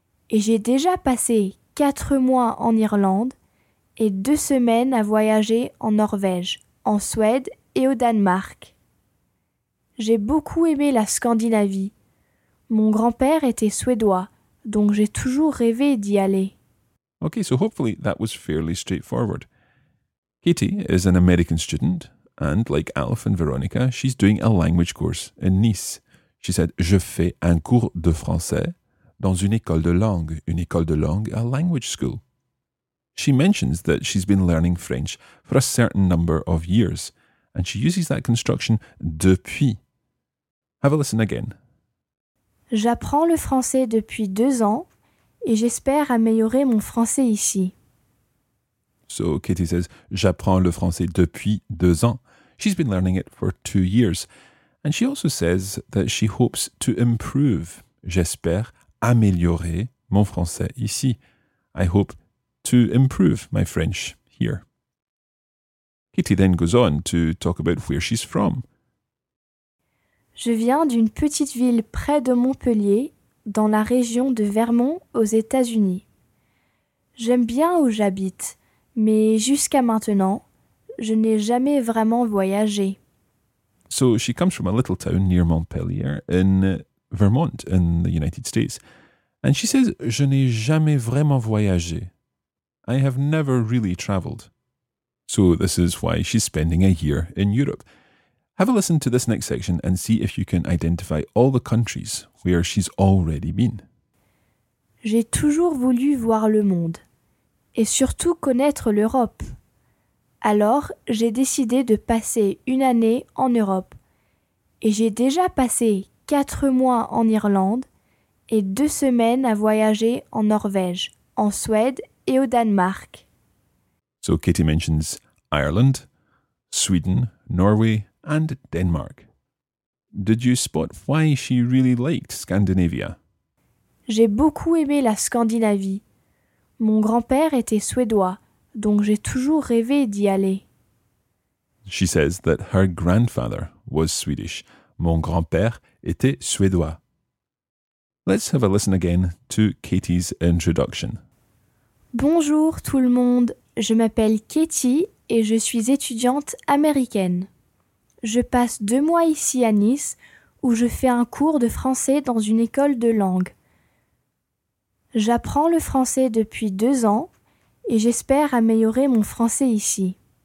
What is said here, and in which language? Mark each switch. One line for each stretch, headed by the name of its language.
French: Et j'ai déjà passé 4 mois en Irlande et 2 semaines à voyager en Norvège, en Suède et au Danemark. J'ai beaucoup aimé la Scandinavie. Mon grand-père était suédois, donc j'ai toujours rêvé d'y aller.
English: Okay, so hopefully that was fairly straightforward. Katie is an American student. And like Alf and Veronica, she's doing a language course in Nice. She said,
French: je fais un cours de français dans une école de langue,
English: a language school. She mentions that she's been learning French for a certain number of years, and she uses that construction depuis. Have a listen again.
French: J'apprends le français depuis 2 ans, et j'espère améliorer mon français ici.
English: So Katie says,
French: j'apprends le français depuis 2 ans.
English: She's been learning it for 2 years. And she also says that she hopes to improve.
French: J'espère améliorer mon français ici.
English: I hope to improve my French here. Katie then goes on to talk about where she's from.
French: Je viens d'une petite ville près de Montpellier, dans la région de Vermont, aux États-Unis. J'aime bien où j'habite, mais jusqu'à maintenant, je n'ai jamais vraiment voyagé.
English: So she comes from a little town near Montpellier in Vermont in the United States. And she says,
French: je n'ai jamais vraiment voyagé.
English: I have never really traveled. So this is why she's spending a year in Europe. Have a listen to this next section and see if you can identify all the countries where she's already been.
French: J'ai toujours voulu voir le monde et surtout connaître l'Europe. Alors, j'ai décidé de passer une année en Europe. Et j'ai déjà passé 4 mois en Irlande et 2 semaines à voyager en Norvège, en Suède et au Danemark.
English: So Katie mentions Ireland, Sweden, Norway and Denmark. Did you spot why she really liked Scandinavia?
French: J'ai beaucoup aimé la Scandinavie. Mon grand-père était suédois, donc j'ai toujours rêvé d'y aller.
English: She says that her grandfather was Swedish.
French: Mon grand-père était suédois.
English: Let's have a listen again to Katie's introduction.
French: Bonjour tout le monde, je m'appelle Katie et je suis étudiante américaine. Je passe 2 mois ici à Nice où je fais un cours de français dans une école de langue. J'apprends le français depuis 2 ans et j'espère améliorer mon français ici.